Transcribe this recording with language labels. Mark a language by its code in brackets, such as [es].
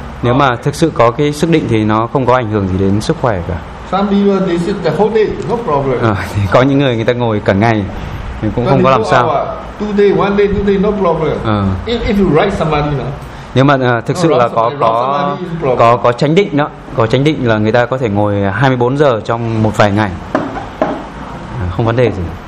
[vi] Nếu mà thực sự có cái sức định thì nó không có ảnh hưởng gì đến sức khỏe cả. [en] Some people they sit the whole day, no problem. [vi] Thì có những người ta ngồi cả ngày thì cũng không có làm sao. [en] Two day, no problem. If you write somebody, no. [vi] Nếu mà thực sự là có chánh định đó, có chánh định là người ta có thể ngồi 24 giờ trong một vài ngày, không vấn đề gì.